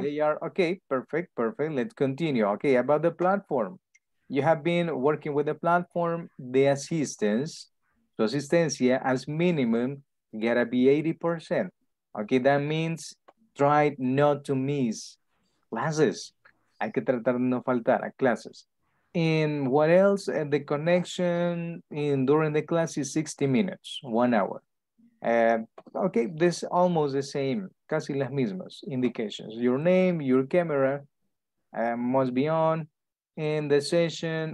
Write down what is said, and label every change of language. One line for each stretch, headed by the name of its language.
English: They are, okay, perfect, perfect. Let's continue. Okay, about the platform. You have been working with the platform, the assistance. So asistencia as minimum gotta be 80%. Okay, that means try not to miss classes.
Spanish: Hay que tratar de no faltar a clases.
English: And what else? And the connection during the class is 60 minutes, 1 hour. Okay, this is almost the same.
Spanish: Casi las mismas
English: indications. Your name, your camera must be on in the session.